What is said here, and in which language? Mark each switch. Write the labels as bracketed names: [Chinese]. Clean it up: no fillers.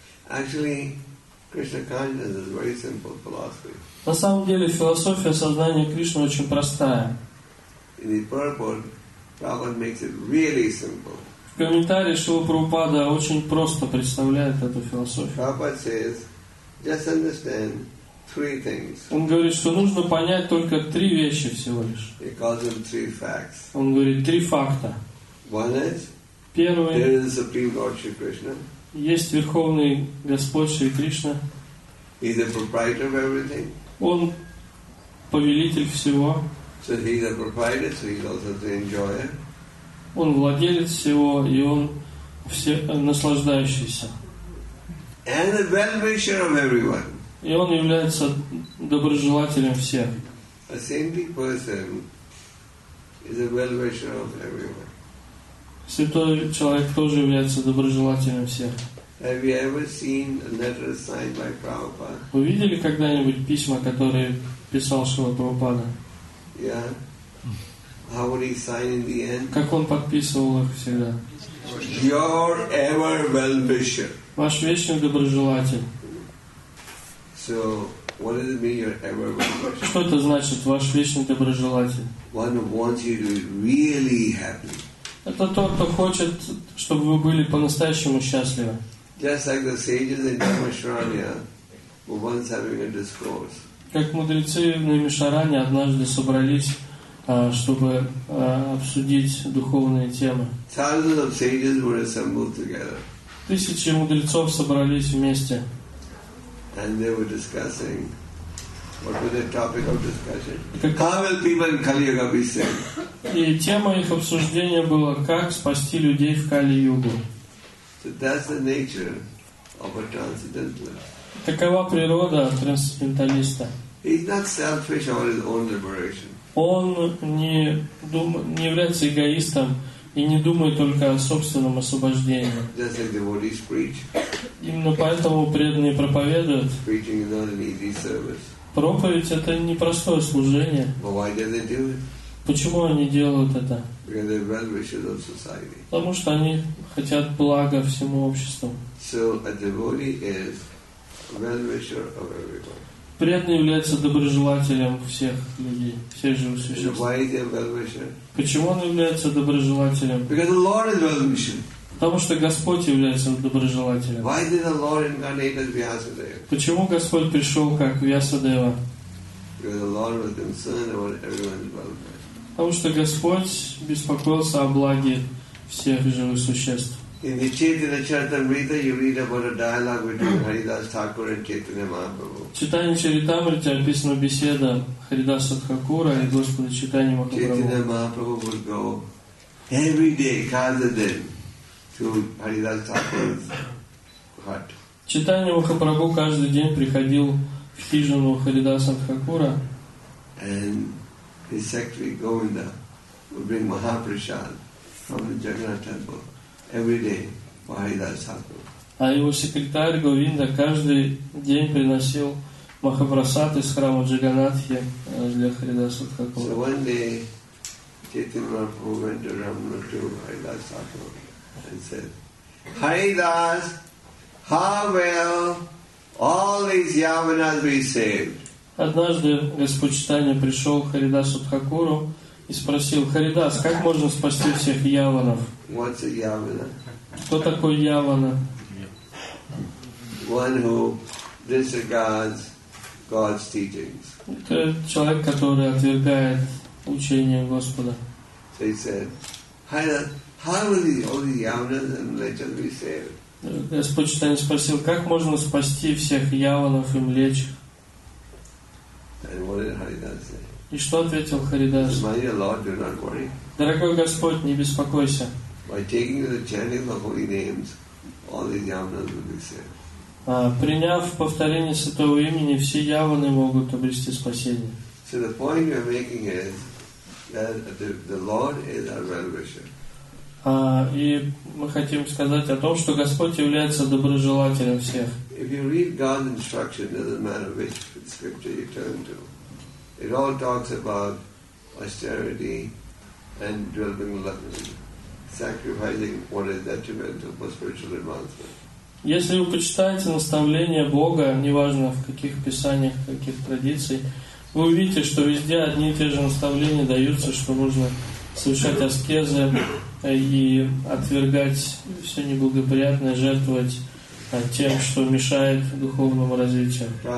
[Russian] На самом деле философия сознания Кришны очень простая. [English] In the purport, Prabhupada makes it really simple. [Russian] В комментариях Шрила Прабхупада очень просто представляет эту философию. [English] Prabhupada says, just understand three things. [Russian] Он говорит, что нужно понять только три вещи всего лишь. [English] He calls them three facts. [Russian] Он говорит, три факта. [English] One is, [Russian] первый, [English] there is the Supreme Lord Shri Krishna. [Russian] Есть Верховный Господь Шри Кришна. [English] He's the proprietor of everything. [Russian] Он повелитель всего. [English] So he's the proprietor, so he's also the enjoyer. [Russian] Он владелец всего, и он все наслаждающийся. [English] And the well-wisher of everyone. [Russian] И он является доброжелателем всех. [English] A saintly person is a well-wisher of everyone. [Russian] Святой человек тоже является доброжелателем всех. [English] Have you ever seen a letter signed by Prabhupada? [Russian] Вы видели когда-нибудь письма, которые писал Шрила Прабхупада? [English] Yeah. How would he sign in the end? [Russian] Как он подписывал их всегда? [English] Your ever well-wisher. [Russian] Ваш вечный доброжелатель. [English] So, what does it mean, your ever well-wisher? [Russian] Что это значит, ваш вечный доброжелатель? [English] One who wants you to be really happy. [Russian] Это тот, кто хочет, чтобы вы были по-настоящему счастливы. [English] Just like the sages in Dhammasharanya were once having a discourse. [Russian] Как мудрецы в Наймишаране однажды собрались, чтобы обсудить духовные темы. [English] Thousands of sages were assembled together. [Russian] Тысячи мудрецов собрались вместе. [English] And they were discussing. What was the topic of discussion? How will people in Kali Yuga be saved? [Russian] И тема их обсуждения была, как спасти людей в Кали-Югу. [English] So that's the nature of a transcendentalist. [Russian] Такова природа трансценденталиста. [English] He's not selfish about his own liberation. [Russian] Он не является эгоистом и не думает только о собственном освобождении. [English] Just like devotees preach. [Russian] Именно поэтому преданные проповедуют. [English] Preaching is not an easy service. [Russian] Проповедь — это непростое служение. [English] But why do they do it? [Russian] Почему они делают это? [English] Because they're well-wishers of society. [Russian] Потому что они хотят блага всему обществу. [English] So a devotee is a well-wisher of everyone. [Russian] Преданный является доброжелателем всех людей, всех живых существ. [English] Why is he a well-wisher? [Russian] Почему он является доброжелателем? [English] Because the Lord is well-wisher. [Russian] Потому что Господь является доброжелателем. [English] Why did the Lord incarnate as Vyasadeva? [Russian] Почему Господь пришел как Вьясадева? [English] Because the Lord was concerned about everyone's welfare. [Russian] Потому что Господь беспокоился о благе всех живых существ. [English] In the Chaitanya Charitamrita, you read about a dialogue between Haridas Thakur and Chaitanya Mahaprabhu. [Russian] В Читании Чаритамриты описана беседа Харидаса Тхакура и Господа Чайтаньи Махапрабху. [English] Chaitanya Mahaprabhu would go every day, Kazadin, to Haridas Thakur's hut. [Russian] Чайтанья Махапрабху каждый день приходил в хижину Харидаса Тхакура. [English] And his secretary Govinda would bring Mahaprasad from the Jagannath temple every day for Haridas Thakur. [Russian] А его секретарь Говинда каждый день приносил Махапрасад из храма Джаганатхи для Харидаса Тхакура. [English] So one day, Chaitanya Mahaprabhu went to Ramana to Haridas Thakur and said, Haridas, how will all these Yavanas be saved? [Russian] Однажды Господь Чайтанья пришел к Харидасу Тхакуру и спросил, Харидас, как можно спасти всех яванов? [English] What's a yavana? [Russian] Кто такой явана? [English] One who disregards God's teachings. [Russian] Это человек, который отвергает учение Господа. [English] So he said, Харидас, how will all the yavanas and mlechas be saved? [Russian] Господь Чайтанья спросил, как можно спасти всех яванов и млечих? [English] And what did Haridas say? [Russian] И что ответил Харидас? [English] My dear Lord, do not worry. [Russian] Дорогой Господь, не беспокойся. [English] By taking the chanting of holy names, all these yavanas will be saved. [Russian] Приняв повторение святого имени, все яваны могут обрести спасение. [English] So the point we are making is that the Lord is our well-wisher. [Russian] И мы хотим сказать о том, что Господь является доброжелателем всех. [English] If you read God's instruction, it doesn't matter which scripture you turn to. It all talks about austerity and developing loving, sacrificing what is detrimental for spiritual advancement. [Russian] Если вы почитаете наставления Бога, неважно в каких писаниях, каких традициях, вы увидите, что везде одни и те же наставления даются, что нужно совершать аскезы, и отвергать все неблагоприятное, жертвовать тем, что мешает духовному развитию.